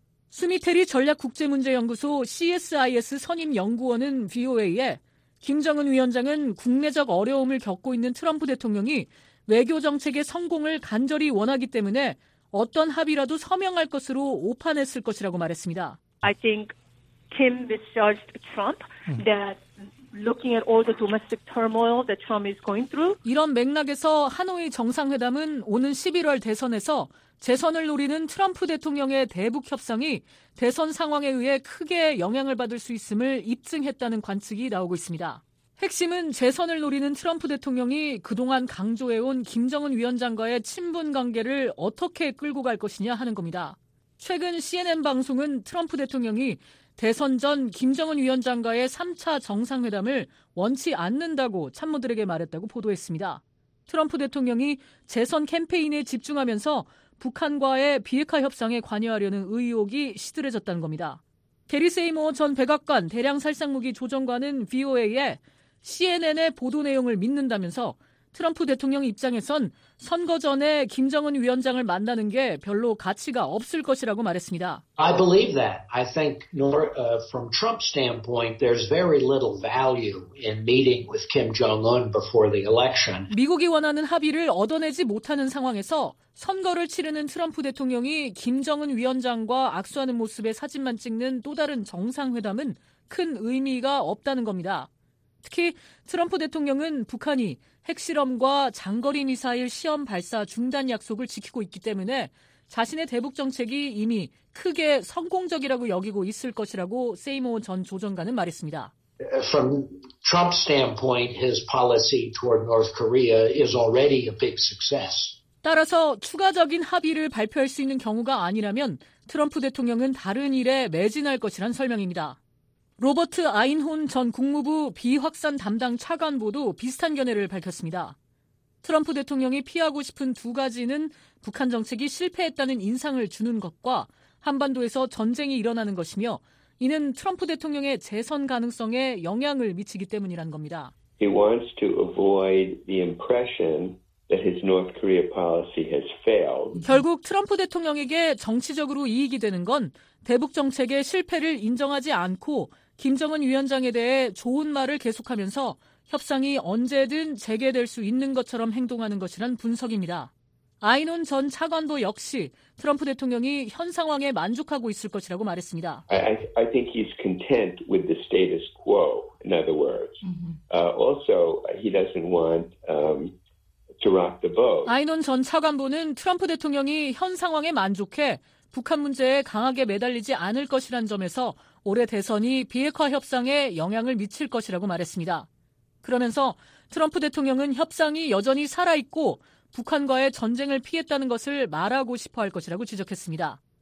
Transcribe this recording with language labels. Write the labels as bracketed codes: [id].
[ko] 스미테리 전략국제문제연구소 CSIS 선임연구원은 VOA에 김정은 위원장은 국내적 어려움을 겪고 있는 트럼프 대통령이 외교정책의 성공을 간절히 원하기 때문에 어떤 합의라도 서명할 것으로 오판했을 것이라고 말했습니다. [en] I think Kim misjudged Trump that looking at all the domestic turmoil that Trump is going through. [ko] 이런 맥락에서 하노이 정상회담은 오는 11월 대선에서 재선을 노리는 트럼프 대통령의 대북 협상이 대선 상황에 의해 크게 영향을 받을 수 있음을 입증했다는 관측이 나오고 있습니다. 핵심은 재선을 노리는 트럼프 대통령이 그동안 강조해온 김정은 위원장과의 친분 관계를 어떻게 끌고 갈 것이냐 하는 겁니다. 최근 CNN 방송은 트럼프 대통령이 대선 전 김정은 위원장과의 3차 정상회담을 원치 않는다고 참모들에게 말했다고 보도했습니다. 트럼프 대통령이 재선 캠페인에 집중하면서 북한과의 비핵화 협상에 관여하려는 의혹이 시들해졌다는 겁니다. 게리 세이모 전 백악관 대량 살상무기 조정관은 VOA에 CNN의 보도 내용을 믿는다면서 트럼프 대통령 입장에선 선거 전에 김정은 위원장을 만나는 게 별로 가치가 없을 것이라고 말했습니다. [en] I believe that. I think from Trump's standpoint, there's very little value in meeting with Kim Jong-un before the election. [ko] 미국이 원하는 합의를 얻어내지 못하는 상황에서 선거를 치르는 트럼프 대통령이 김정은 위원장과 악수하는 모습의 사진만 찍는 또 다른 정상회담은 큰 의미가 없다는 겁니다. 특히 트럼프 대통령은 북한이 핵실험과 장거리 미사일 시험 발사 중단 약속을 지키고 있기 때문에 자신의 대북 정책이 이미 크게 성공적이라고 여기고 있을 것이라고 세이모 전 조정관은 말했습니다. [en] From Trump's standpoint, his policy toward North Korea is already a big success. [ko] 따라서 추가적인 합의를 발표할 수 있는 경우가 아니라면 트럼프 대통령은 다른 일에 매진할 것이란 설명입니다. 로버트 아인훈 전 국무부 비확산 담당 차관보도 비슷한 견해를 밝혔습니다. 트럼프 대통령이 피하고 싶은 두 가지는 북한 정책이 실패했다는 인상을 주는 것과 한반도에서 전쟁이 일어나는 것이며 이는 트럼프 대통령의 재선 가능성에 영향을 미치기 때문이라는 겁니다. [en] He wants to avoid the impression that his North Korea policy has failed. [ko] 결국 트럼프 대통령에게 정치적으로 이익이 되는 건 대북 정책의 실패를 인정하지 않고 김정은 위원장에 대해 좋은 말을 계속하면서 협상이 언제든 재개될 수 있는 것처럼 행동하는 것이란 분석입니다. 아인훈 전 차관도 역시 트럼프 대통령이 현 상황에 만족하고 있을 것이라고 말했습니다. [en] I think he's content with the status quo, in other words. Also, he doesn't want to rock the boat. [ko] 아인훈 전 차관보는 트럼프 대통령이 현 상황에 만족해 북한 문제에 강하게 매달리지 않을 것이란 점에서 올해 대선이 비핵화 협상에 영향을 미칠 것이라고 말했습니다. 그러면서 트럼프 대통령은 협상이 여전히 살아있고 북한과의 전쟁을 피했다는 것을 말하고 싶어 할 것이라고 지적했습니다.